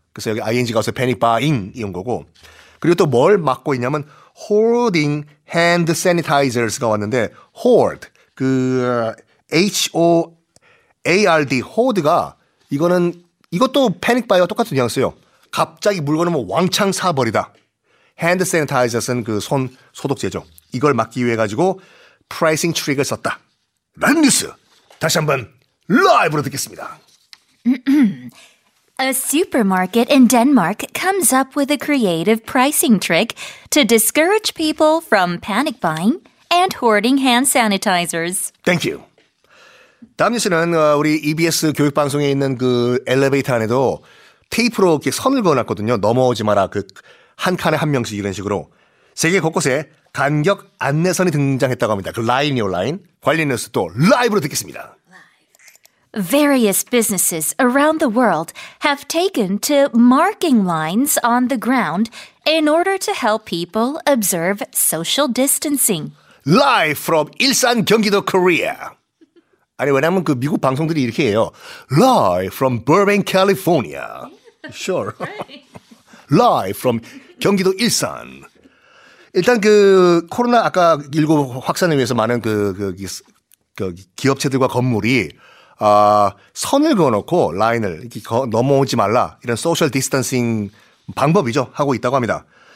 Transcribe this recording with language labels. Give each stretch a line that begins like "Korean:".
Korean: 그래서 여기 ing가 와서 panic buying 이런 거고. 그리고 또 뭘 막고 있냐면 hoarding hand sanitizers 가 왔는데 hoard 그 h-o-a-r-d hoard가 이거는 이것도 panic buy와 똑같은 뉘앙스예요. 갑자기 물건을 뭐 왕창 사버리다. hand sanitizers 는 그 손 소독제죠. 이걸 막기 위해 가지고 pricing trick을 썼다. 라는 뉴스 다시 한번 라이브로 듣겠습니다.
English: A supermarket in Denmark comes up with a creative pricing trick to discourage people from panic buying and hoarding hand sanitizers. Thank you.
Korean: 다음 뉴스는 우리 EBS 교육방송에 있는 그 엘리베이터 안에도 테이프로 이렇게 선을 그어놨거든요. 넘어오지 마라. 그 한 칸에 한 명씩 이런 식으로. 세계 곳곳에 간격 안내선이 등장했다고 합니다. 그 라인이요, 라인. 관련 뉴스 또 라이브로 듣겠습니다.
English: Various businesses around the world have taken to marking lines on the ground in order to help people observe social distancing. Live from 일산, 경기도, Korea.
Korean: 아니, 왜냐면 그 미국 방송들이 이렇게 해요.
English: Live from Burbank, California. Sure. Live from 경기도 일산.
Korean: 일단 그 코로나 아까 19 확산에 의해서 많은 그 기업체들과 건물이 선을 그어놓고 라인을 이렇게 넘어오지 말라 이런 소셜 디스턴싱 방법이죠 하고 있다고 합니다.